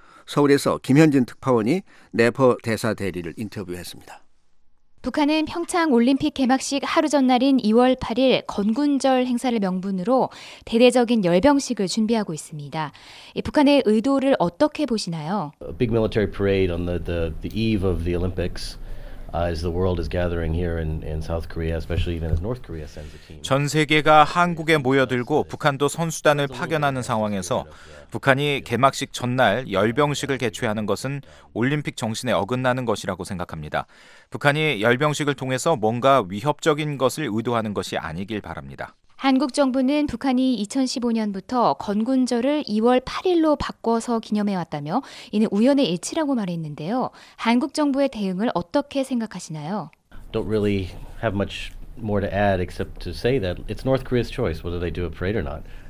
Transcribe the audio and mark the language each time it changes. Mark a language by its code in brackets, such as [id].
[ko] 서울에서 김현진 특파원이 네퍼 대사 대리를 인터뷰했습니다. 북한은 평창 올림픽 개막식 하루 전날인 2월 8일 건군절 행사를 명분으로 대대적인 열병식을 준비하고 있습니다. 북한의 의도를 어떻게 보시나요? [en] A big military parade on the eve of the Olympics. As the world is gathering here in South Korea, especially even as North Korea sends a team. [ko] 전 세계가 한국에 모여들고 북한도 선수단을 파견하는 상황에서 북한이 개막식 전날 열병식을 개최하는 것은 올림픽 정신에 어긋나는 것이라고 생각합니다. 북한이 열병식을 통해서 뭔가 위협적인 것을 의도하는 것이 아니길 바랍니다. 한국 정부는 북한이 2015년부터 건군절을 2월 8일로 바꿔서 기념해왔다며 이는 우연의 일치라고 말했는데요. 한국 정부의 대응을 어떻게 생각하시나요? [en] Don't really have much more to add except to say that it's North Korea's choice whether they do a parade or not.